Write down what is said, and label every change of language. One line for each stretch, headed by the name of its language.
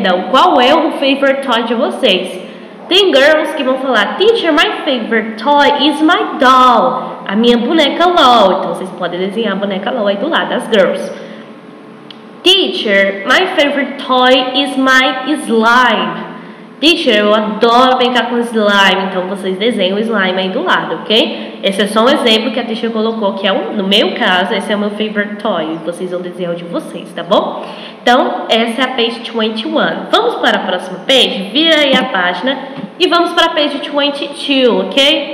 Portuguese: Qual é o favorite toy de vocês? Tem girls que vão falar:
English: teacher, my favorite toy is my doll.
Portuguese: A minha boneca LOL. Então vocês podem desenhar a boneca LOL aí do lado, as girls.
English: Teacher, my favorite toy is my slime.
Portuguese: Teacher, eu adoro brincar com slime, então vocês desenham o slime aí do lado, ok? Esse é só um exemplo que a teacher colocou, que é no meu caso, esse é o meu favorite toy. Vocês vão desenhar o de vocês, tá bom? Então, essa é a page 21. Vamos para a próxima page? Vira aí a página e vamos para a page 22, ok?